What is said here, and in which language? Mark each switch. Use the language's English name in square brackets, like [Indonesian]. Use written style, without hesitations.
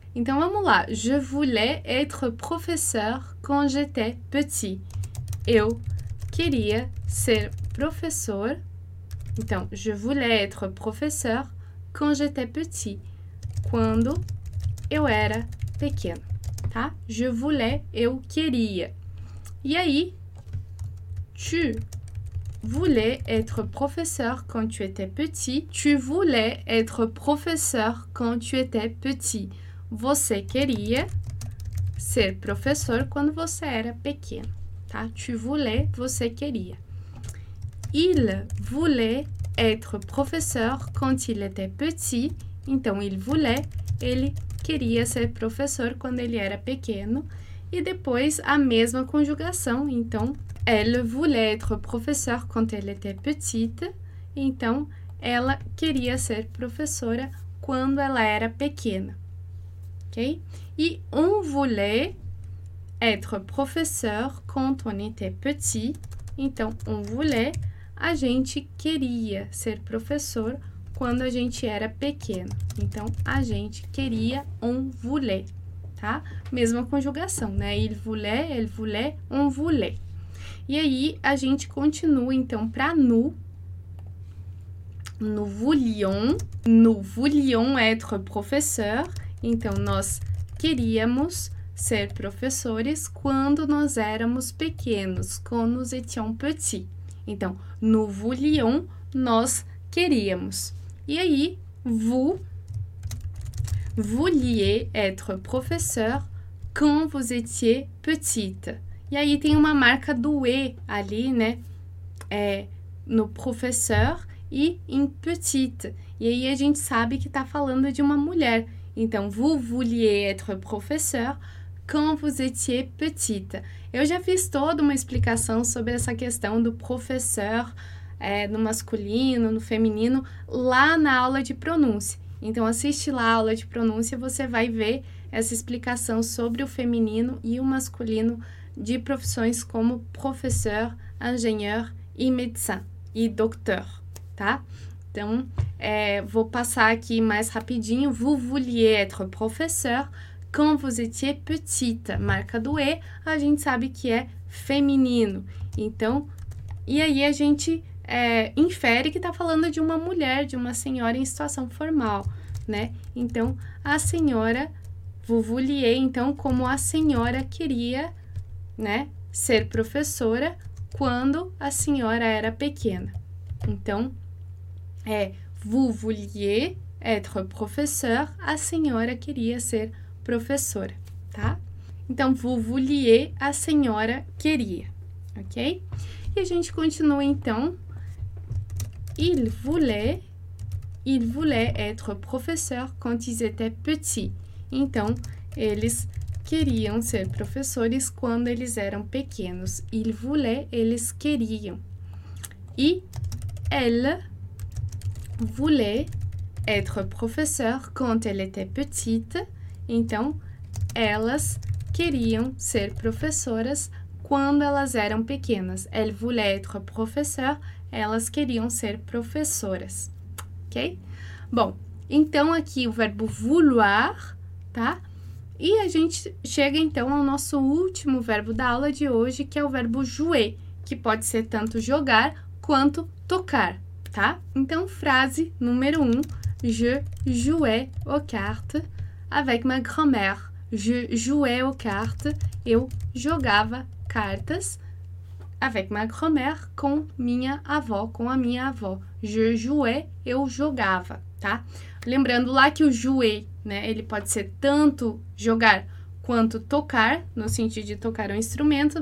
[Portuguese] Então vamos lá: [French] je voulais être professeur quand j'étais petit. [Portuguese] Eu queria ser professor. [French] Então, je voulais être professeur quand j'étais petit, [Portuguese] quando eu era pequeno, tá? [French] Je voulais, [Portuguese] eu queria. E aí, [French] tu voulais être professeur quand tu étais petit. Tu voulais être professeur quand tu étais petit. [Portuguese] Você queria ser professor quando você era pequeno, tá? [French] Tu voulais, [Portuguese] você queria. [French] Il voulait être professeur quand il était petit. [Portuguese] Então, [French] il voulait, [Portuguese] ele queria ser professeur [French] quand il [Portuguese] era pequeno. E depois, a mesma conjugação. [French] Então, elle voulait être professeur quand elle était petite. [Portuguese] Então, ela queria ser professora quando ela era pequena. Ok? [French] E on voulait être professeur quand on était petit. [Portuguese] Então, [French] on voulait. [Portuguese] A gente queria ser professor quando a gente era pequeno. Então, a gente queria, [French] on voulait, [Portuguese] tá? Mesma conjugação, né? [French] Il voulait, elle voulait, on voulait. [Portuguese] E aí, a gente continua, então, para nous. [French] Nous voulions être professeur. [Portuguese] Então, nós queríamos ser professores quando nós éramos pequenos, [French] quand nous étions petits. [Portuguese] Então, [French] nous voulions, [Portuguese] nós queríamos. E aí, [French] vous vouliez être professeur quand vous étiez petite. [Portuguese] E aí tem uma marca do E ali, né? É no professeur e em petite. E aí a gente sabe que está falando de uma mulher. Então, [French] vous vouliez être professeur quand vous étiez petite. [Portuguese] Eu já fiz toda uma explicação sobre essa questão do professor no masculino, no feminino, lá na aula de pronúncia. Então, assiste lá a aula de pronúncia, você vai ver essa explicação sobre o feminino e o masculino de profissões como professeur, ingénieur e médecin, e docteur, tá? Então, vou passar aqui mais rapidinho. [French] Vous vouliez être professeur quand vous étiez petite. [Portuguese] Marca do E, a gente sabe que é feminino. Então, e aí a gente infere que está falando de uma mulher, de uma senhora em situação formal, né? Então, a senhora, [French] vous vouliez, [Portuguese] então, como a senhora queria, né, ser professora quando a senhora era pequena. Então, [French] vous vouliez être professeur, [Portuguese] a senhora queria ser professora, tá? Então, [French] vous vouliez, [Portuguese] a senhora queria, ok? E a gente continua então. [French] Il voulait être professeur quand ils étaient petits. [Portuguese] Então, eles queriam ser professores quando eles eram pequenos. [French] Il voulait, [Portuguese] eles queriam. [French] E elle voulait être professeur quand elle était petite. [Portuguese] Então, elas queriam ser professoras quando elas eram pequenas. [French] Elle voulait être professeur. [Portuguese] Elas queriam ser professoras, ok? Bom, então aqui o verbo vouloir, tá? E a gente chega então ao nosso último verbo da aula de hoje, que é o verbo jouer, que pode ser tanto jogar quanto tocar, tá? Então, frase número 1: [French] Je jouais aux cartes avec ma grand-mère. Je jouais aux cartes. [Portuguese] Eu jogava cartas [French] avec ma grand-mère, [Portuguese] com minha avó, com a minha avó. [French] Je jouais, [Portuguese] eu jogava, tá? Lembrando lá que o jouer, né, ele pode ser tanto jogar quanto tocar, no sentido de tocar um instrumento.